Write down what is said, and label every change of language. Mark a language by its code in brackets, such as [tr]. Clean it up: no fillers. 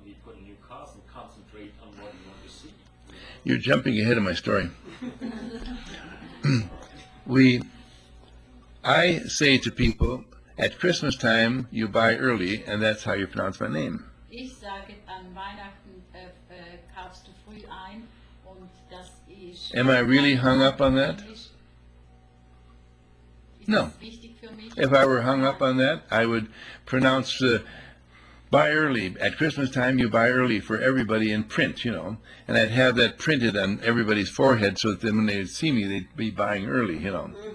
[en] We put a new cast and concentrate on what you want to see. You're jumping ahead of my story. We I say to people, at Christmas time, you buy early, and that's how you pronounce my name. [de] Ich sage, an Weihnachten kaufst du früh ein, und das ist... [en] Am I really hung up on that? No. If I were hung up on that, I would pronounce buy early. At Christmas time, you buy early for everybody in print, you know. And I'd have that printed on everybody's forehead so that then when they'd see me, they'd be buying early, you know.